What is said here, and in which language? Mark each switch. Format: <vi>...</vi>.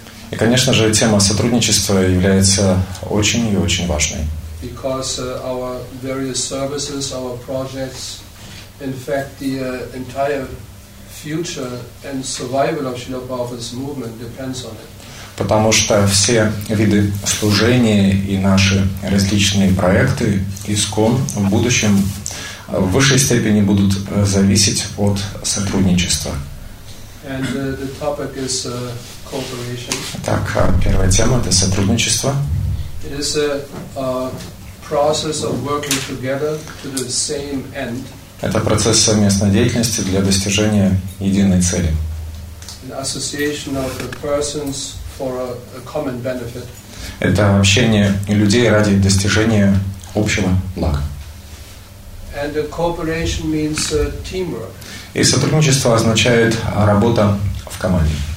<ru>И, конечно же, тема сотрудничества является очень и очень важной.</ru> <en>Because our various services, our projects, in fact, the entire future and survival of Srila Prabhupada's movement depends on it.</en> <ru>Потому что все виды служения и наши различные проекты ИСКОН в будущем в высшей степени будут зависеть от сотрудничества.</ru> <en>And the topic is cooperation.</en> <ru>Так, первая тема — это сотрудничество.</ru> <en>It is a process of working together to the same end.</en> <ru>Это процесс совместной деятельности для достижения единой цели.</ru> <en>An association of the persons for a common benefit.</en> <ru>Это общение людей ради достижения общего блага.</ru> <en>And the cooperation means teamwork.</en> <ru>И сотрудничество означает работа в команде.</ru>